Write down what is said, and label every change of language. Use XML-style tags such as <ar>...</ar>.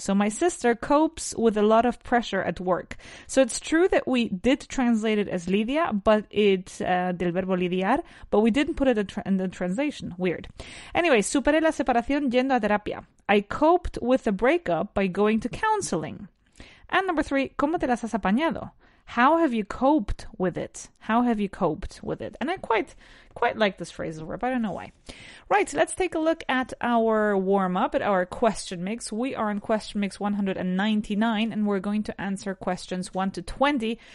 <en>So my sister copes with a lot of pressure at work. So it's true that we did translate it as Lidia, but</en> <es>del verbo lidiar,</es> <en>but we didn't put it in the translation. Weird. Anyway,</en> <es>superé la separación yendo a terapia.</es> <en>I coped with the breakup by going to counseling. And number 3,</en> <es>¿cómo te las has apañado?</es> <en>How have you coped with it? How have you coped with it? And I quite like this phrasal verb. I don't know why. Right, so let's take a look at our warm-up, at our question mix. We are in question mix 199, and we're going to answer questions 1 to 20.</en>